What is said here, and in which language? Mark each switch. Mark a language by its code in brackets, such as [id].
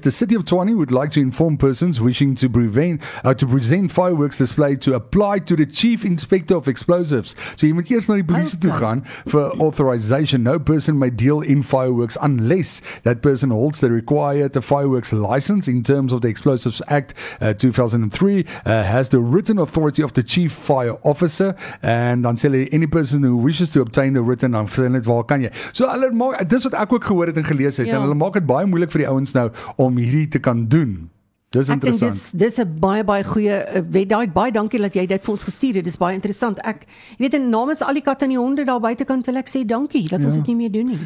[en] The City of 20 would like to inform persons wishing to present fireworks display to apply to the Chief Inspector of Explosives. [af] So jy moet eers na die polisie toe gaan vir authorization. [en] No person may deal in fireworks unless that person holds the required fireworks license in terms of the Explosives Act 2003, has the written authority of the chief fire officer, and [af] dan sê [en] any person who wishes to obtain the written, [af] dan vir net waar kan jy. So hulle maak, dit is wat ek ook gehoor het en gelees het, ja. En hulle maak het baie moeilik vir die ouens nou om hierdie te kan doen. Dis interessant. Ek dink dis 'n baie baie goeie wet. Baie dankie dat jy dit vir ons gestuur het. Dis baie interessant. Ek weet in namens al die katte en die honde daar buitekant wil ek sê dankie dat ons dit nie meer doen nie.